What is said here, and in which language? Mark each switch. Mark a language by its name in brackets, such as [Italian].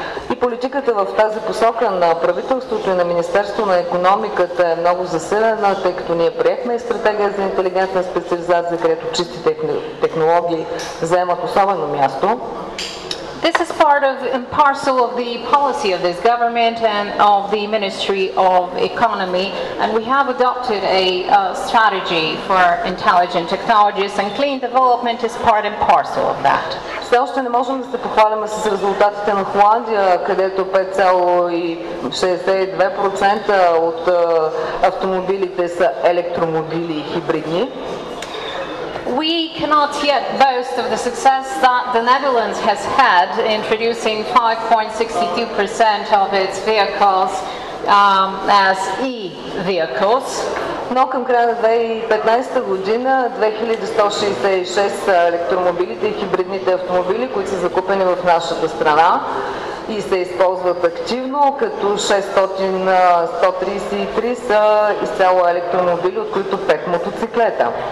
[Bulgarian] И политиката в тази посока на правителството и на Министерство на економиката е много засилена, тъй като ние приехме и стратегия за интелигентна специализация, където чисти технологии заемат особено място. [English] This is part of and parcel of the policy of this government and of the Ministry of Economy, and we have adopted a strategy for intelligent technologies and clean development is part and parcel of that. [Bulgarian] Все още не можем да се похвалим с резултатите на Холандия, където 5,62% от автомобилите са електромобили и хибридни. [English] We cannot yet boast of the success that the Netherlands has had introducing 5.62% of its vehicles as e-vehicles. [Bulgarian] Но към края на 2015 година 2166 електромобилите и хибридните автомобили, които са закупени в нашата страна и се използват активно, като 633 са изцяло електромобили, от които 5 мотоциклета.